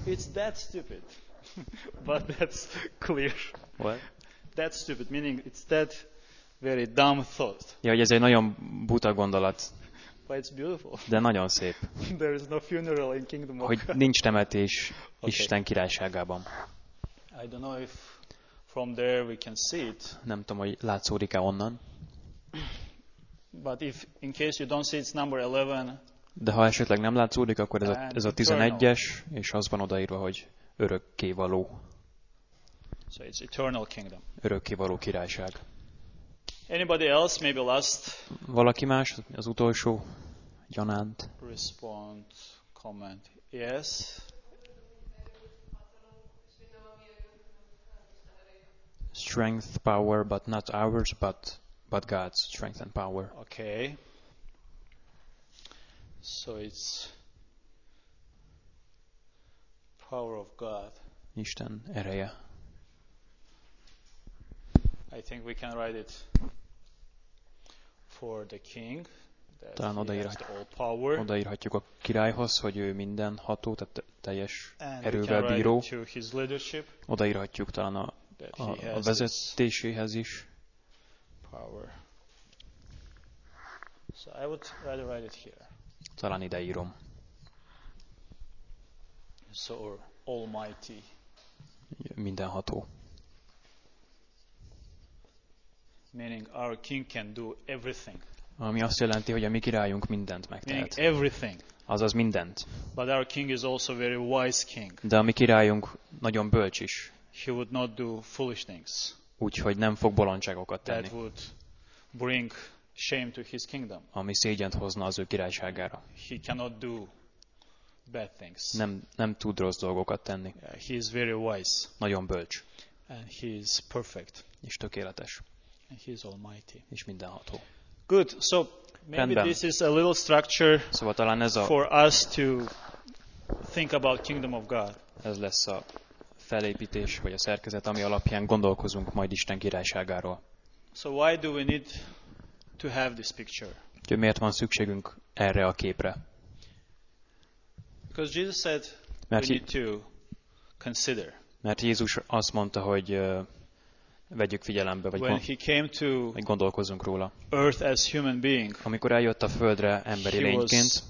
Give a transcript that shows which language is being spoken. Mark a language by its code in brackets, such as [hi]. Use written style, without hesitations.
[en] It's that stupid, but that's clear. What? That's stupid, meaning it's that very dumb thought. [hu] Ja, hogy ez egy nagyon buta gondolat. [en] But it's beautiful. [hu] De nagyon szép. [en] There is no funeral in kingdom. [hu] Hogy nincs temetés Isten királyságában. [en] I don't know if from there we can see it. [hu] Nem tudom, hogy látszódik-e onnan. [en] But if in case you don't see it, it's number 11. [hu] De ha esetleg nem látszódik, akkor ez a 11-es, és az van odaírva, hogy örökkévaló. [en] So it's eternal kingdom. [hu] Örökkévaló királyság. [en] Anybody else, maybe last? [hu] Valaki más, az utolsó gyanánt. [en] Respond, comment. Yes. Strength, power, but not ours, but God's strength and power. Okay. So it's power of God. [hu] Isten ereje. [en] I think we can write it for the king. [hu] Talán odaírhatjuk a királyhoz, hogy ő minden ható, tehát teljes [en] and [hu] erővel bíró. [en] To his leadership, [hu] odaírhatjuk talán a vezetéséhez is. [en] Power. So I would rather write it here. [hu] Talán ideírom. [en] So almighty. [hu] Mindenható. [en] Meaning our king can do everything. [hu] Ami azt jelenti, hogy a mi királyunk mindent megtehet. [en] Meaning everything. [hu] Azaz mindent. [en] But our king is also very wise king. [hu] De a mi királyunk nagyon bölcs is. [en] He would not do foolish things. [hu] Úgyhogy nem fog bolondságokat tenni. [en] That would bring shame to his kingdom. [hu] Ami szégyent hozna az ő királyságára. [en] He cannot do bad things. [hu] Nem tud rossz dolgokat tenni. [en] Yeah, he is very wise. [hu] Nagyon bölcs. [en] And he is perfect. [hu] És tökéletes. [en] And he is almighty. [hu] És mindenható. [en] Good. So maybe [hu] rendben. [en] This is a little structure, [hu] szóval talán ez a [en] for us to think about kingdom of God. [hu] Ez lesz a felépítés vagy a szerkezet, ami alapján gondolkozunk majd Isten királyságáról. [en] So why do we need to have this picture? [hu] Hogy miért van szükségünk erre a képre? [en] Because Jesus said we need to consider. [hu] Mert Jézus azt mondta, hogy vegyük figyelembe, vagy gondolkozzunk róla. [en] Earth as human being. [hu] Amikor eljött a földre emberi lényként,